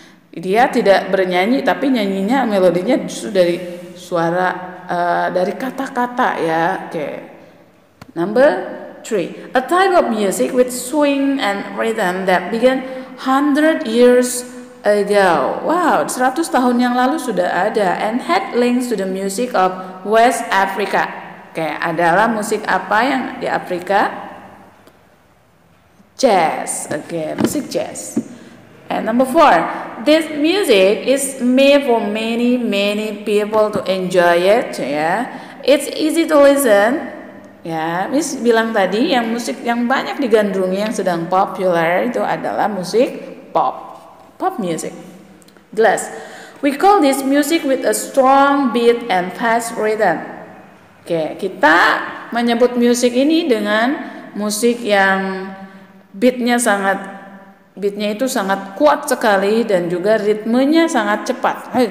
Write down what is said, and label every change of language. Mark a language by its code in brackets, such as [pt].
[id] Dia tidak bernyanyi, tapi nyanyinya melodinya justru dari suara dari kata-kata ya. [en] Oke. Number 3. A type of music with swing and rhythm that began 100 years ago. Wow, [id] 100 tahun yang lalu sudah ada, [en] and had links to the music of West Africa. [id] Oke, adalah musik apa yang di Afrika? Jazz. Oke, musik jazz. [en] And number 4, this music is made for many, many people to enjoy it, ya. Yeah. It's easy to listen, ya. Yeah. [id] Miss bilang tadi, yang musik yang banyak digandrungi, yang sedang popular, itu adalah musik pop. [en] Pop music. Glass. We call this music with a strong beat and fast rhythm. Oke, okay. [id] Kita menyebut musik ini dengan musik yang beatnya sangat beatnya itu sangat kuat sekali dan juga ritmenya sangat cepat.